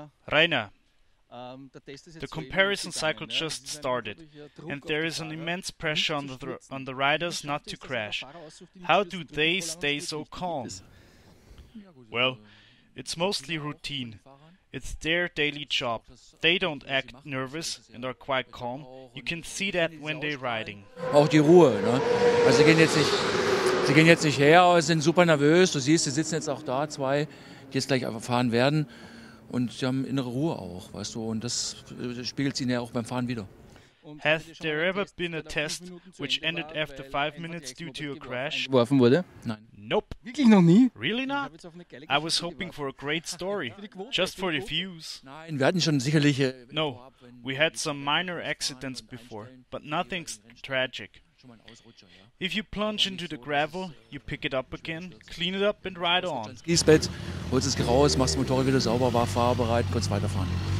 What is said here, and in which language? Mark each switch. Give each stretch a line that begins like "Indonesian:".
English: Rainer, the comparison cycle just started, and there is an immense pressure on the riders not to crash. How do they stay so calm? Well, it's mostly routine. It's their daily job. They don't act nervous and are quite calm. You can see that when they're riding.
German: Auch die Ruhe, ne? Also sie gehen jetzt nicht her, aber sind super nervös. Du siehst, sie sitzen jetzt auch da, zwei, die jetzt gleich fahren werden. Und sie haben innere Ruhe auch, weißt du, und das spiegelt sich ja auch beim Fahren wieder.
English: Has there ever been a test which ended after 5 minutes due to a crash?
German: Geworfen wurde? Nein. Nope. Wirklich noch nie?
English: Really not? I was hoping for a great story, just for the views.
German: Nein, wir hatten schon sicherlich...
English: No, we had some minor accidents before, but nothing's tragic. If you plunge into the gravel, you pick it up again, clean it up and ride on.
German: Skisbett, holst es raus, machst den Motorrad wieder sauber, war fahrbereit, kannst weiterfahren.